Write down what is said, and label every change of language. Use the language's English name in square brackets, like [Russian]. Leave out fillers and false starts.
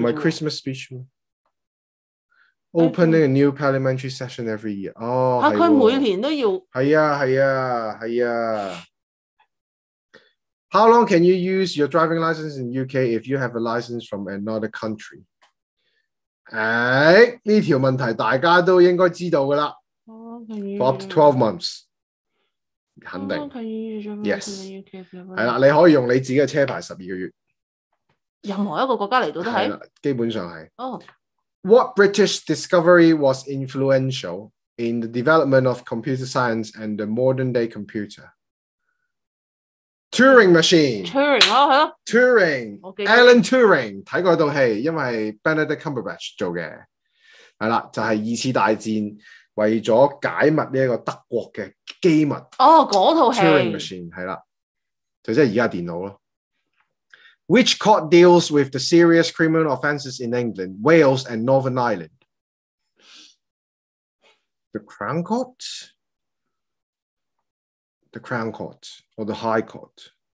[Chinese] 不是 [English] Christmas speech [Chinese] 吗？ [English] Opening a new parliamentary session every year。 [Chinese] 哦，是啊，他每年都要。是啊，是啊，是啊。 [English] How long can you use your driving license in UK if you have a license from another country? [Chinese] 哎，这条问题大家都应该知道的了。 [English] For up to 12 months. [Chinese] 肯定。 [English] Yes. [Chinese] 是的，你可以用你自己的车牌12个月。任何一个国家来到都是。基本上是。 [English] Oh. What British discovery was influential in the development of computer science and the modern day computer? Turing machine. [Chinese] Turing, 哦，是的。Turing, Alan Turing, 看過那部戲，因為 Benedict Cumberbatch 做的。是的，就是二次大戰為了解密這個德國的機密。哦，那部戲。 Turing machine, 是的。就是現在電腦。 [English] Which court deals with the serious criminal offences in England, Wales and Northern Ireland? The Crown Court? The Crown Court or the High Court?